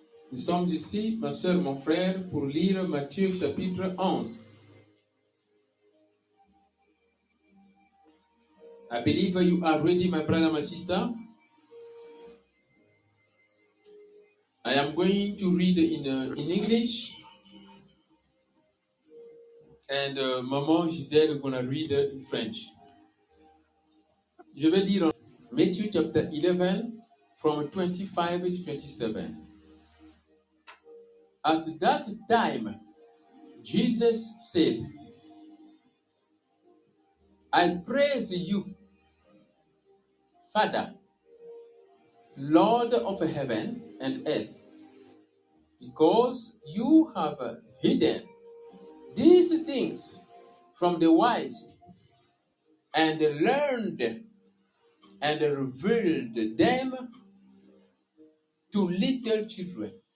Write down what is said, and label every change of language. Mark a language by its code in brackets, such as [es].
[fr] Nous sommes ici, ma soeur, mon frère, pour lire Matthieu chapitre 11. [en] I believe you are ready, my brother, my sister. I am going to read in English. And Maman Gisèle is going to read in French. [fr] Je vais lire en Matthieu chapitre 11, [en] from 25 to 27. At that time, Jesus said, I praise you, Father, Lord of heaven and earth, because you have hidden these things from the wise and learned and revealed them to little children.